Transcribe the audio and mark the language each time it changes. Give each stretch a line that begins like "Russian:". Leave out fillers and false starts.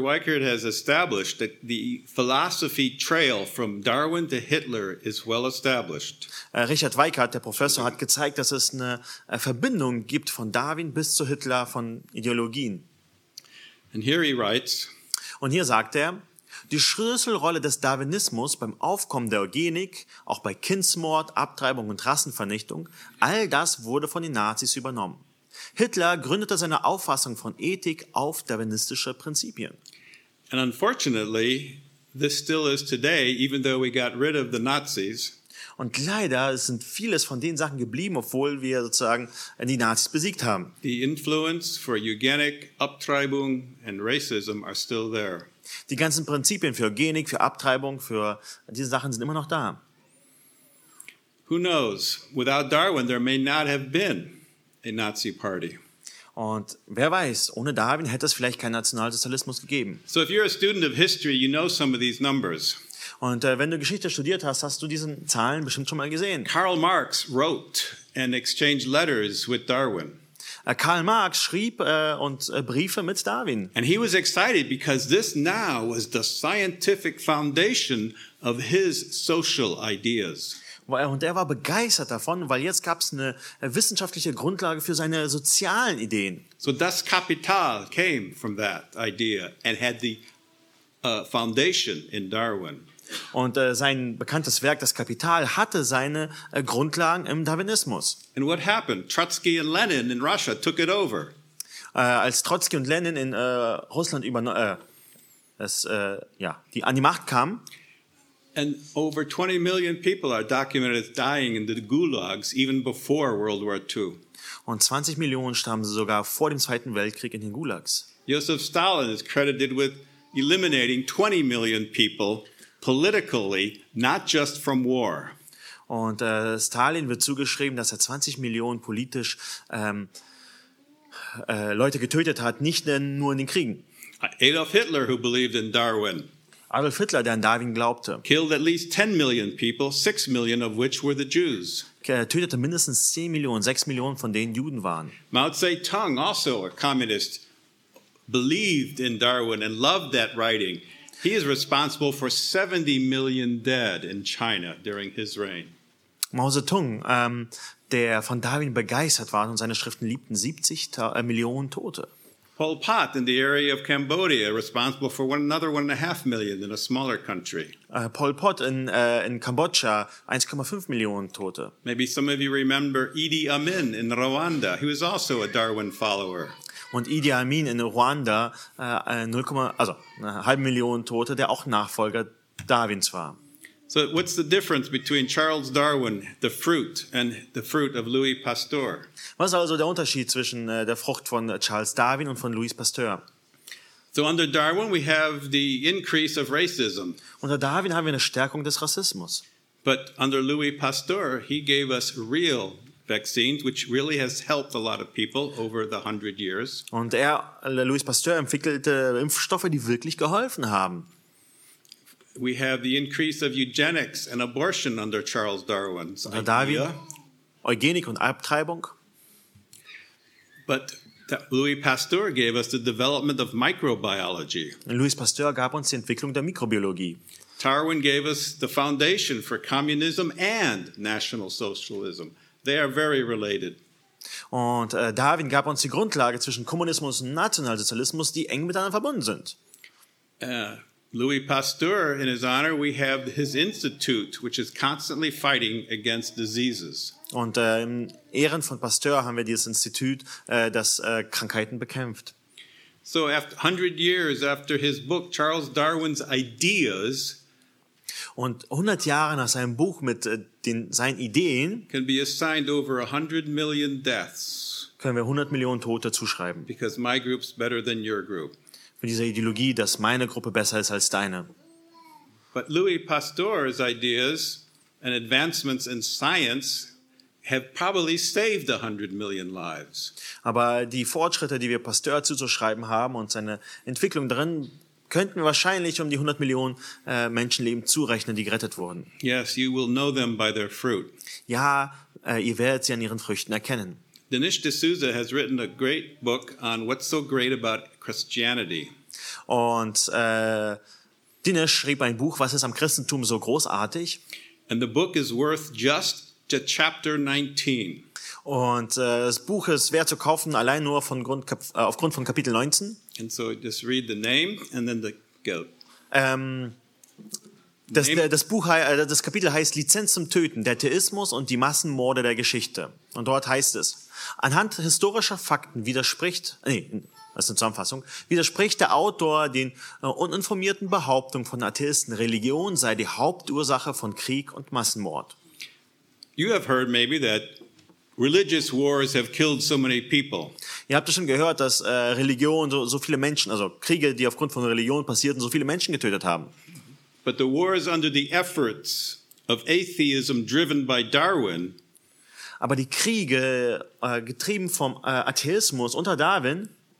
English: Weichert has established that the philosophy trail from Darwin to Hitler is well established.
German: Richard Weichert, der Professor, hat gezeigt, dass es eine Verbindung gibt von Darwin bis zu Hitler von Ideologien.
English: And here he writes,
German: und hier sagt er, die Schlüsselrolle des Darwinismus beim Aufkommen der Eugenik, auch bei Kindsmord, Abtreibung und Rassenvernichtung, all das wurde von den Nazis übernommen. Hitler gründete seine Auffassung von Ethik auf darwinistische Prinzipien.
English: And unfortunately, this still is today, even though we got rid of the Nazis.
German: Und leider sind vieles von den Sachen geblieben, obwohl wir sozusagen die Nazis besiegt haben.
English: The influence for eugenic, Abtreibung and racism are still there.
German: Die ganzen Prinzipien für Eugenik, für Abtreibung, für diese Sachen sind immer noch da.
English: Who knows? Without Darwin, there may not have been a Nazi party.
German: Und wer weiß, ohne Darwin hätte es vielleicht keinen Nationalsozialismus gegeben.
English: So if you're a student of history, you know some of these numbers.
German: Und wenn du Geschichte studiert hast, hast du diesen Zahlen bestimmt schon mal gesehen.
English: Karl Marx wrote and exchanged letters with Darwin.
German: Karl Marx schrieb Briefe mit Darwin.
English: And he was excited because this now was the scientific foundation of his social ideas.
German: Und er war begeistert davon, weil jetzt gab es eine wissenschaftliche Grundlage für seine sozialen Ideen.
English: So das Kapital came from that idea and had the foundation in Darwin.
German: Und sein bekanntes Werk, das Kapital, hatte seine Grundlagen im Darwinismus.
English: And what happened? Trotsky and Lenin in Russia took it over.
German: Als Trotsky und Lenin in Russland die an die Macht kamen.
English: And over 20 million people are documented dying in the gulags even before World War II.
German: Und 20 Millionen starben sogar vor dem Zweiten Weltkrieg in den Gulags.
English: Joseph Stalin is credited with eliminating 20 million people politically, not just from war.
German: Und Stalin wird zugeschrieben, dass er 20 Millionen politisch Leute getötet hat, nicht nur in den Kriegen.
English: Adolf Hitler, who believed in Darwin.
German: Adolf Hitler, der an Darwin glaubte.
English: Killed at least 10 million people, 6 million of which were the Jews.
German: Tötete mindestens 10 Millionen, 6 Millionen von denen Juden waren.
English: Mao Zedong, also a communist, believed in Darwin and loved that writing. He is responsible for 70 million dead in China during his reign.
German: Mao Zedong, der von Darwin begeistert war und seine Schriften liebten, 70 Millionen Tote.
English: Pol Pot in the area of Cambodia, responsible for another 1.5 million in a smaller country.
German: Pol Pot in Kambodscha, 1,5 Millionen Tote.
English: Maybe some of you remember Idi Amin in Rwanda. He was also a Darwin follower.
German: Und Idi Amin in Ruanda, 500.000 Tote, der auch Nachfolger Darwins war.
English: So what's the difference between Charles Darwin, the fruit, and the fruit of Louis Pasteur?
German: Was ist also der Unterschied zwischen der Frucht von Charles Darwin und von Louis Pasteur?
English: So under Darwin we have the increase of racism.
German: Unter Darwin haben wir eine Stärkung des Rassismus.
English: But under Louis Pasteur, he gave us real vaccines, which really has helped a lot of people over the 100 years.
German: Und Louis Pasteur entwickelte Impfstoffe, die wirklich geholfen haben.
English: We have the increase of eugenics and abortion under Charles Darwin's idea.
German: Eugenik und Abtreibung.
English: But Louis Pasteur gave us the development of microbiology.
German: Louis Pasteur gab uns die Entwicklung der Mikrobiologie.
English: Darwin gave us the foundation for communism and national socialism. They are very related.
German: Und Darwin gab uns die Grundlage zwischen Kommunismus und Nationalsozialismus, die eng miteinander verbunden sind.
English: Louis Pasteur, in his honor, we have his institute, which is constantly fighting against diseases.
German: Und in Ehren von Pasteur haben wir dieses Institut, das Krankheiten bekämpft.
English: So after 100 years after his book, Charles Darwin's Ideas,
German: und 100 Jahre nach seinem Buch mit seinen Ideen
English: can be assigned over 100 million deaths,
German: können wir 100 Millionen Tote zuschreiben.
English: Because my group's better than your group.
German: Für diese Ideologie, dass meine Gruppe besser ist als deine.
English: But Louis Pasteur's ideas and advancements in science have probably saved 100 million lives.
German: Aber die Fortschritte, die wir Pasteur zuzuschreiben haben und seine Entwicklung darin, könnten wahrscheinlich die 100 Millionen Menschenleben zurechnen, die gerettet wurden.
English: Yes, you will know them by their fruit.
German: Ja, ihr werdet sie an ihren Früchten erkennen.
English: Dinesh D'Souza has written a great book on what's so great about Christianity.
German: Und Dinesh schrieb ein Buch, was ist am Christentum so großartig?
English: And the book is worth just to chapter 19.
German: Und das Buch ist wert zu kaufen, allein nur von Grund, aufgrund von Kapitel 19.
English: And so just read the name and then the guilt.
German: Das Kapitel heißt Lizenz zum Töten, der Theismus und die Massenmorde der Geschichte. Und dort heißt es, anhand historischer Fakten widerspricht der Autor den uninformierten Behauptungen von Atheisten, Religion sei die Hauptursache von Krieg und Massenmord.
English: You have heard maybe that religious wars have killed so many people.
German: Ihr habt schon gehört, dass Religion so viele Menschen, also Kriege, die aufgrund von Religion passierten, so viele Menschen getötet haben.
English: But the wars under the efforts of atheism driven by Darwin.
German: Aber die Kriege, getrieben vom Atheismus unter Darwin,